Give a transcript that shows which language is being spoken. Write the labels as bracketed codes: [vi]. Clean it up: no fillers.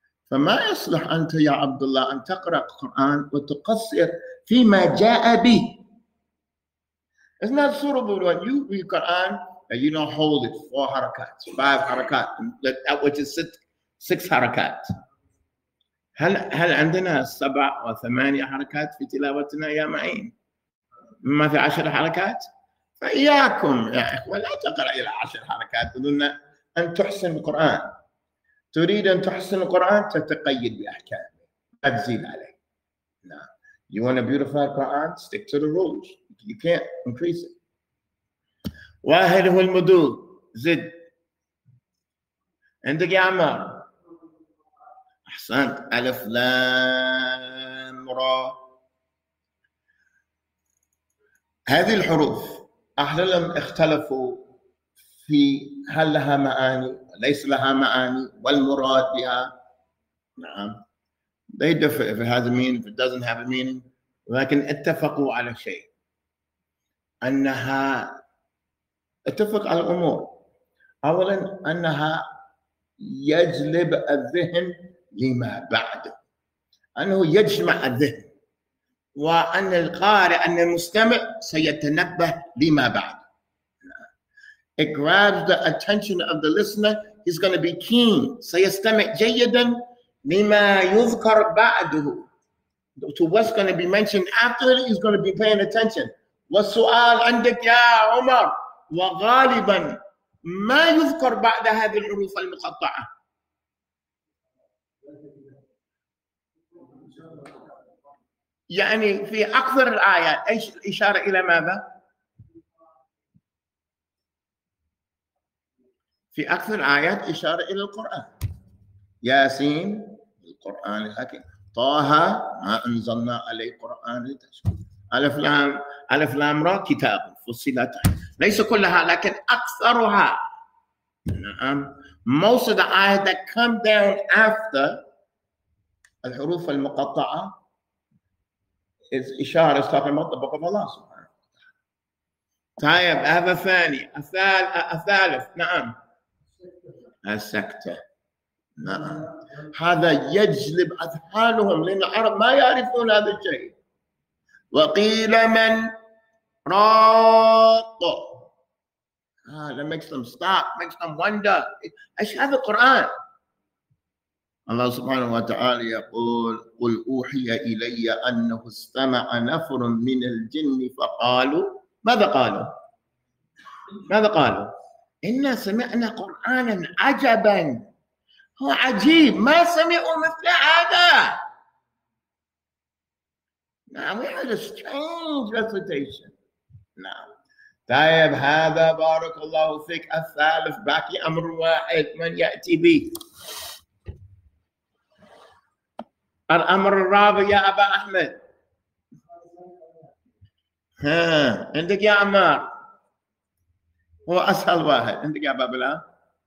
[ar] فما يصلح أنت يا عبد الله أن تقرأ القرآن وتقصر فيما جاء به. [en] It's not suitable when you read the Quran and you don't hold it four harakats, five harakats, that which is six harakats. [ar] هل عندنا سبع وثمانية حركات في تلاوتنا يا معين؟ ما في عشر حركات؟ فإياكم يا إخوة لا تقرأ إلى عشر حركات بدون أن تحسن القرآن. تريد أن تحسن القرآن تتقيد بأحكامه، لا تزيد عليه. [en] No. You want to beautify the Quran? Stick to the rules. You can't increase it. واحد هو المدود، زد. [ar] عندك يا عمار؟ أحسنت. ألف لام را، هذه الحروف أهلهم اختلفوا في هل لها معاني ليس لها معاني والمراد بها. [en] نعم، they differ if it has a meaning, if it doesn't have a meaning. [ar] لكن اتفقوا على شيء، أنها اتفق على الأمور. أولا أنها يجلب الذهن لما بعد، أنه يجمع الذهن، وأن القارئ، أن المستمع سيتنبه لما بعد. [en] It grabs the attention of the listener. He's going to be keen. [ar] سيستمع جيدا لما يذكر بعده. [en] To what's going to be mentioned after it, he's going to be paying attention. [ar] والسؤال عندك يا عمر وغالبا ما يذكر بعد هذه الحروف المقطعة. يعني في أكثر الآيات إيش إشارة إلى ماذا؟ في أكثر الآيات إشارة إلى القرآن. ياسين القرآن الحكيم. طه ما أنزلنا عليه القرآن لتشكو. ألف لام را كتاب فصلت. ليس كلها لكن أكثرها. نعم. [en] Most of the ayat that come down after الحروف المقطعة is إشارة is talking about the book of Allah سبحانه. [ar] طيب هذا ثاني الثالث نعم. السكتة نعم. هذا يجلب أذهانهم لأن العرب ما يعرفون هذا الشيء. [en] وقيل من راق هذا makes them stop, makes them wonder. [ar] إيش هذا القرآن؟ الله سبحانه وتعالى يقول قل أوحي إلي أنه استمع نفر من الجن فقالوا ماذا قالوا؟ ماذا قالوا؟ إنا سمعنا قرآنا عجبا. هو عجيب ما سمعوا مثل هذا. [en] Now we had a strange recitation. [ar] Now, طيب هذا بارك الله فيك الثالث باقي أمر واحد من يأتي به. الأمر الرابع يا أبا أحمد. ها عندك يا عمار. هو أسهل واحد عندك يا بابلا.